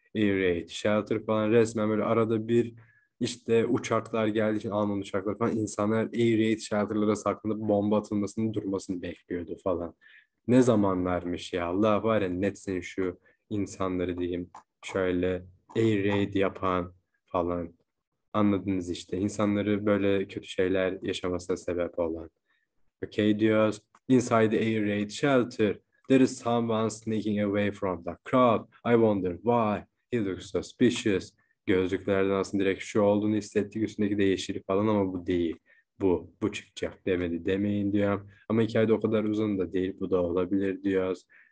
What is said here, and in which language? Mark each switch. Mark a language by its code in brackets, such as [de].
[tr] Air raid. Shelter falan resmen böyle arada bir işte uçaklar geldiği için Alman uçaklar falan insanlar air raid shelterlara saklanıp bomba atılmasının durmasını bekliyordu falan. Ne zamanlarmış ya Allah var ya netsin şu insanları diyeyim şöyle air raid yapan falan. Anladınız işte insanları böyle kötü şeyler yaşamasına sebep olan. Okay diyoruz. [en] Inside the air raid shelter. There is someone sneaking away from the crowd. I wonder why. He looks suspicious. [tr] Gözlüklerden aslında direkt şu olduğunu hissettik üstündeki de yeşil falan ama bu değil. Bu çıkacak demedi demeyin diyorum. Ama hikayede o kadar uzun da değil bu da olabilir diyoruz.